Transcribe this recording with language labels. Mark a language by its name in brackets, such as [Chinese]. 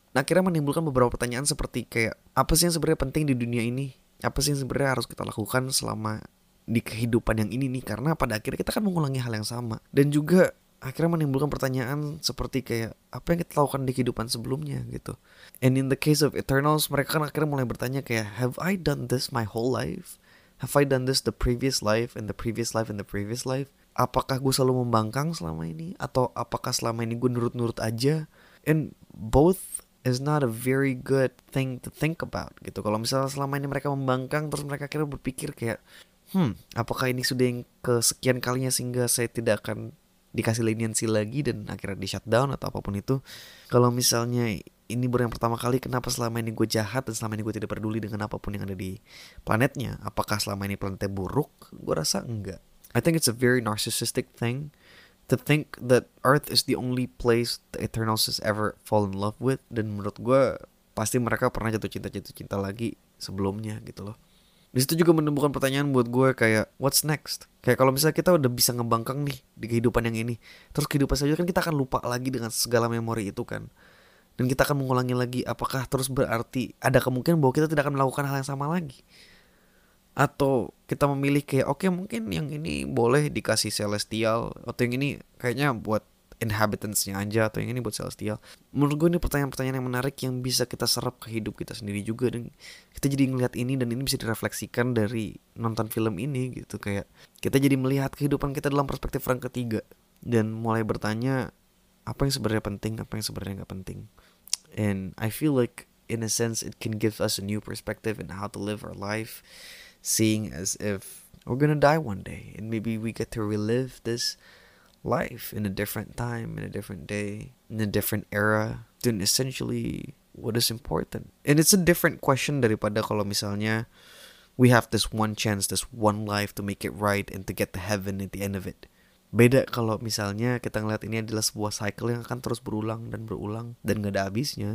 [Indonesian] Nah, akhirnya menimbulkan beberapa pertanyaan seperti kayak, apa sih yang sebenarnya penting di dunia ini? Apa sih yang sebenarnya harus kita lakukan selama di kehidupan yang ini nih? Karena pada akhirnya kita kan mengulangi hal yang sama. Dan juga akhirnya menimbulkan pertanyaan seperti kayak, apa yang kita lakukan di kehidupan sebelumnya gitu. [English] And in the case of Eternals, [Indonesian] mereka kan akhirnya mulai bertanya kayak, [English] have I done this my whole life? Have I done this the previous life and the previous life and the previous life? [Indonesian] Apakah gue selalu membangkang selama ini? Atau apakah selama ini gue nurut-nurut aja? [English] And both is not a very good thing to think about gitu. [Indonesian] Kalau misalnya selama ini mereka membangkang, terus mereka akhirnya berpikir kayak, apakah ini sudah yang kesekian kalinya sehingga saya tidak akan dikasih leniency lagi dan akhirnya di shutdown atau apapun itu. Kalau misalnya ini baru yang pertama kali, kenapa selama ini gue jahat dan selama ini gue tidak peduli dengan apapun yang ada di planetnya? Apakah selama ini planetnya buruk? Gue rasa enggak. [English] I think it's a very narcissistic thing to think that Earth is the only place the Eternals has ever fallen in love with. [Indonesian] Dan menurut gue, pasti mereka pernah jatuh cinta lagi sebelumnya gitu loh. Disitu juga menemukan pertanyaan buat gue kayak, [English] what's next? [Indonesian] Kayak kalau misalnya kita udah bisa ngebangkang nih di kehidupan yang ini, terus kehidupan selanjutnya kan kita akan lupa lagi dengan segala memori itu kan. Dan kita akan mengulangi lagi, apakah terus berarti ada kemungkinan bahwa kita tidak akan melakukan hal yang sama lagi? Atau kita memilih kayak, okay, mungkin yang ini boleh dikasih celestial, atau yang ini kayaknya buat inhabitants-nya aja, atau yang ini buat celestial. Menurut gue ini pertanyaan-pertanyaan yang menarik yang bisa kita serap ke hidup kita sendiri juga. Dan kita jadi ngelihat ini, dan ini bisa direfleksikan dari nonton film ini gitu. Kayak kita jadi melihat kehidupan kita dalam perspektif orang ketiga dan mulai bertanya apa yang sebenarnya penting, apa yang sebenarnya gak penting. [English] And I feel like in a sense it can give us a new perspective in how to live our life, seeing as if we're gonna die one day and maybe we get to relive this life in a different time, in a different day, in a different era, then essentially what is important? And it's a different question [Indonesian] daripada kalau misalnya [English] we have this one chance, this one life to make it right and to get to heaven at the end of it. [Indonesian] Beda kalau misalnya kita ngeliat ini adalah sebuah cycle yang akan terus berulang dan berulang dan gak ada habisnya.